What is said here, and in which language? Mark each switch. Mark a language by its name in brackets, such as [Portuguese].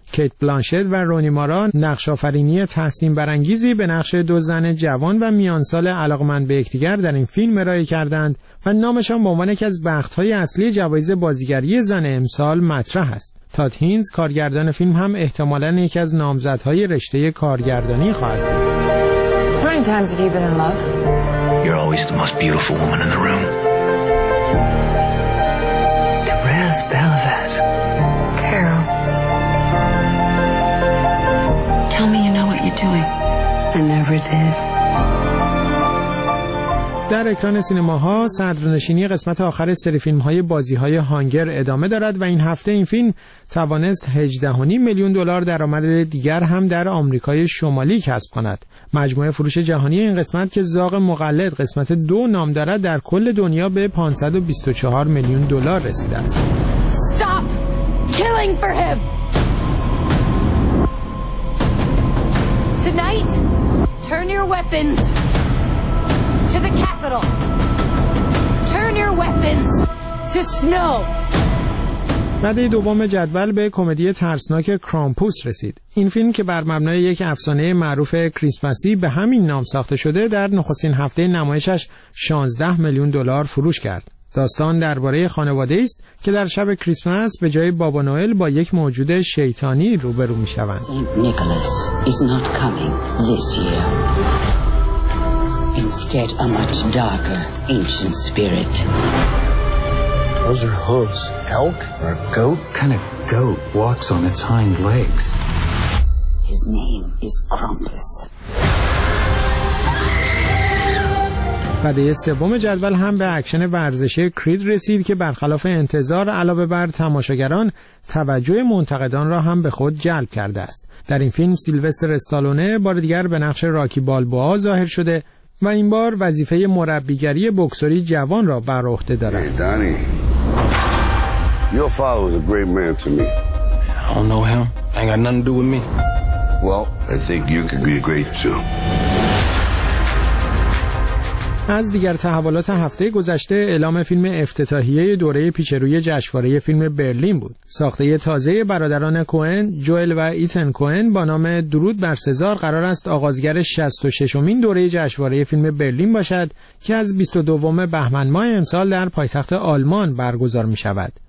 [Persian] کیت بلانشت و رونی مارا نقش آفرینی تحسین برانگیزی به نقش 2 زن جوان و میانسال علاقمند به یکدیگر در این فیلم ارائه کردند و نامشان به عنوان یکی از بخت‌های اصلی جوایز بازیگری زن امسال مطرح است. تاد هینز کارگردان فیلم هم احتمالاً یکی از نامزدهای رشته کارگردانی خواهد بود. [English] You're always the most beautiful woman in the room. Therese Belvet. [Persian] در اکران سینماها صدرنشینی قسمت آخر سری فیلم‌های بازی‌های هانگر ادامه دارد و این هفته این فیلم توانست 18.5 میلیون دلار درآمد دیگر هم در آمریکای شمالی کسب کند. مجموعه فروش جهانی این قسمت که زاغ مقلد قسمت 2 نام دارد در کل دنیا به 524 میلیون دلار رسیده است. [English] Stop killing for him. Tonight, turn your weapons to the Capitol. Turn your weapons to snow. [Persian] رده دوم جدول به کمدی ترسناک کرامپوس رسید. این فیلم که بر مبنای یک افسانه معروف کریسمسی به همین نام ساخته شده در نخستین هفته نمایشش 16 میلیون دلار فروش کرد. داستان درباره خانواده است که در شب کریسمس به جای بابا نوئل با یک موجود شیطانی روبرو می شوند. [English] Saint Nicholas is not coming this year. Instead a much darker ancient spirit. Those are hooves. Elk or a goat? Kind of goat walks on its hind legs. His name is Krampus. [Persian] رده سوم جدول هم به اکشن ورزشی کرید رسید که برخلاف انتظار علاوه بر تماشاگران توجه منتقدان را هم به خود جلب کرده است. در این فیلم سیلوستر استالونه بار دیگر به نقش راکی بالبوا ظاهر شده و این بار وظیفه مربیگری بکسوری جوان را بر عهده دارد. [English] Hey, Danny. Your father was a great man to me. I don't know him. I got nothing to do with me. Well, I think you could be great too. [Persian] از دیگر تحولات هفته گذشته اعلام فیلم افتتاحیه دوره پیشروی جشنواره فیلم برلین بود. ساخته تازه برادران کوئن، جوئل و ایتن کوئن با نام درود بر سزار قرار است آغازگر 66مین دوره جشنواره فیلم برلین باشد که از 22 بهمن ماه امسال در پایتخت آلمان برگزار می شود.